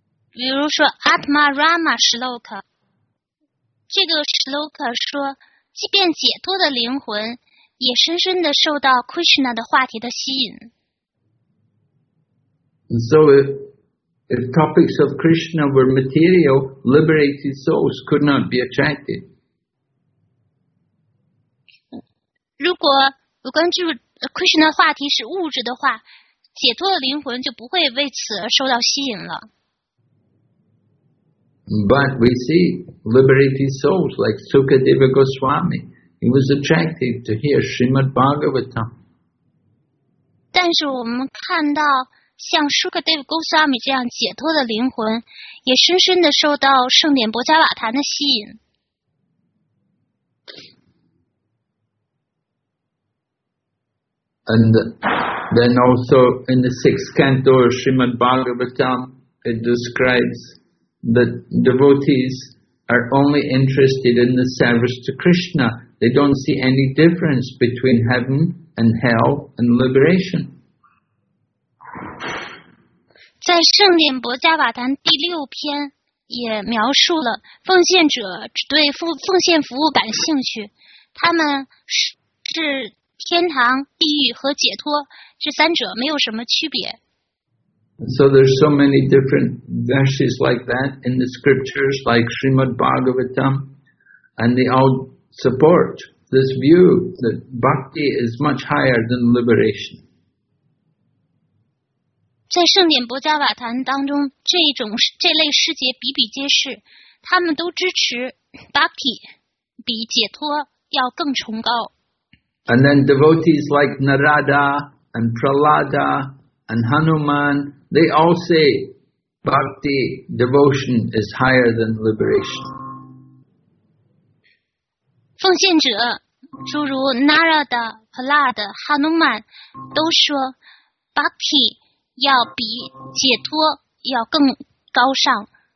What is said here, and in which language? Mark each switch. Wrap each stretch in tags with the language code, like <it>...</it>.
<zh>比如说 Atmarama Sloka. 这个 Sloka 说，即便解脱的灵魂，也深深地受到 Krishna 的话题的吸引。</zh> <en>So if topics of Krishna were material, liberated souls could not be attracted.</en> <zh>如果有关注 Krishna 的话题是物质的话，解脱的灵魂就不会为此而受到吸引了。</zh> <en>But we see liberated souls like Sukadeva Goswami. He was attracted to hear Srimad Bhagavatam.</en> <zh>但是我们看到像 Sukadeva Goswami 这样解脱的灵魂，也深深地受到圣典薄伽瓦坛的吸引。</zh> <en>And then also in the sixth canto of Srimad Bhagavatam, it describes that devotees are only interested in the service to Krishna. They don't see any difference between heaven and hell and liberation.</en> <zh>在圣典薄伽瓦坛第六篇也描述了奉献者只对奉献服务感兴趣，他们是天堂、地狱和解脱这三者没有什么区别。</zh> <en>So there's so many different verses like that in the scriptures, like Srimad Bhagavatam, and they all support this view that bhakti is much higher than liberation.</en> <zh>在圣典薄伽瓦坛当中，这类师节比比皆是，他们都支持 bhakti 比解脱要更崇高。</zh> <en>And then devotees like Narada and Prahlada and Hanuman, they all say bhakti devotion is higher than liberation.</en> <zh>奉献者诸如 Narada, Prahlada, Hanuman 都说 bhakti要比解脱要更高尚。</zh>